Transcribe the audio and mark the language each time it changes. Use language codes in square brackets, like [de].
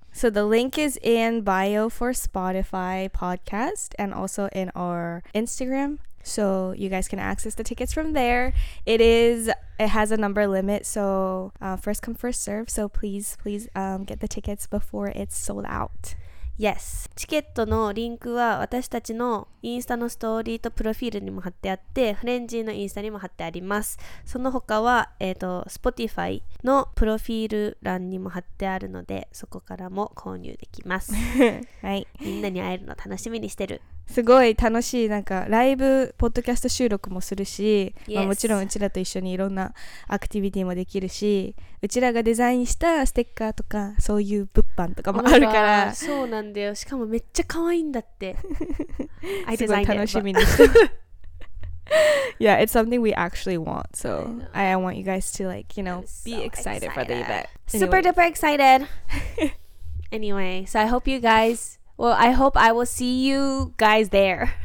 [en] So the link is in bio for Spotify podcast and also in our Instagram. So you guys can access the tickets from there. It has a number limit, so first come, first serve. So please get the tickets before it's sold out. Yes. [ja] チケットのリンクは私たちのインスタのストーリーとプロフィールにも貼ってあって、フレンジーのインスタにも貼ってあります。その他は、Spotify のプロフィール欄にも貼ってあるので、そこからも購入できます。はい。みんなに会えるの楽しみにしてる。すごい楽しい、なんかライブポッドキャスト収録もするし、まあ、もちろんうちらと一緒にいろんなアクティビティもできるし、うちらがデザインしたステッカーとかそういう物販とかもあるから、そうなんだよ、しかもめっちゃ可愛いんだってすごい楽しみに [en] yeah, it's something we actually want. So I want you guys to, like, you know, be excited for the event. Super duper excited. Anyway, so I hope you guys, well, I hope I will see you guys there.